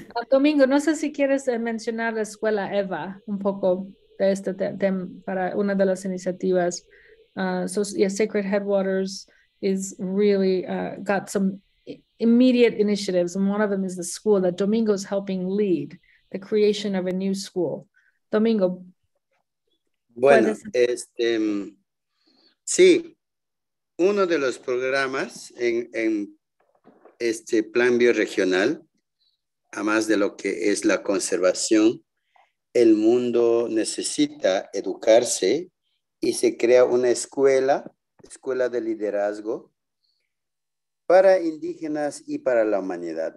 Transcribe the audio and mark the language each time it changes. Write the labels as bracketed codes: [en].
[es] Domingo, no sé si quieres mencionar la Escuela Eva un poco de este tema para una de las iniciativas. [en] Sacred Headwaters is really got some immediate initiatives, and one of them is the school that Domingo's helping lead, the creation of a new school. Domingo. [es] Bueno, sí, uno de los programas en este plan bioregional, además de lo que es la conservación, el mundo necesita educarse y se crea una escuela de liderazgo para indígenas y para la humanidad.